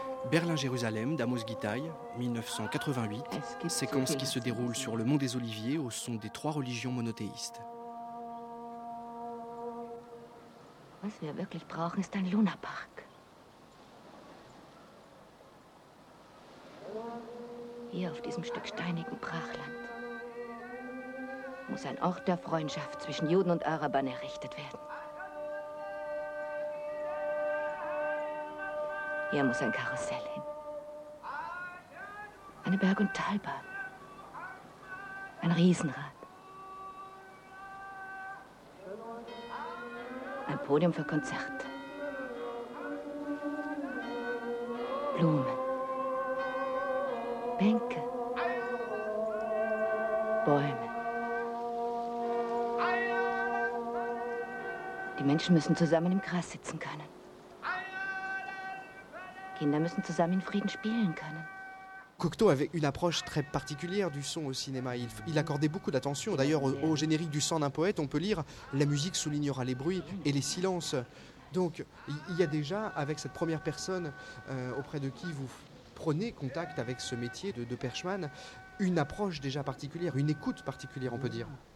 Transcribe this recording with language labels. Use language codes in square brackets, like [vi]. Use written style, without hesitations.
[fr] Berlin-Jérusalem d'Amos Gitai, 1988, séquence qui se déroule sur le Mont des Oliviers au son des trois religions monothéistes. [de] Was wir wirklich brauchen, ist ein Lunapark. Hier auf diesem Stück steinigen Brachland muss ein Ort der Freundschaft zwischen Juden und Arabern errichtet werden. Hier muss ein Karussell hin. Eine Berg- und Talbahn. Ein Riesenrad. Ein Podium für Konzerte. Blumen. Bänke. Bäume. Die Menschen müssen zusammen im Gras sitzen können. Kinder müssen zusammen in Frieden spielen können. [fr] Cocteau avait une approche très particulière du son au cinéma. Il accordait beaucoup d'attention. D'ailleurs, au générique du Sang d'un poète, on peut lire « La musique soulignera les bruits et les silences ». Donc, il y a déjà, avec cette première personne auprès de qui vous prenez contact avec ce métier de perchman, une approche déjà particulière, une écoute particulière, on peut dire.